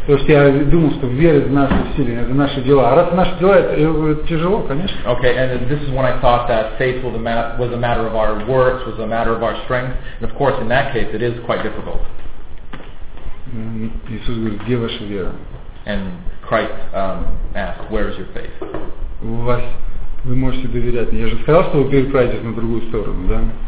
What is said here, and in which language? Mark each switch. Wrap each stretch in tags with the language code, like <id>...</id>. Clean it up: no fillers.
<ru>Потому что я думал, что вера это наши усилия, это наши дела. А раз наши дела, это тяжело, конечно.</ru> <en>Okay, and this is when I thought that faith was a matter of our works, was a matter of our strength. And of course, in that case, it is quite difficult.</en> <ru>Иисус говорит: где ваша вера?</ru> <en>And Christ asked, where is your faith?</en> <ru>Вы можете доверять мне. Я же сказал, что вы переправитесь на другую сторону, да?</ru>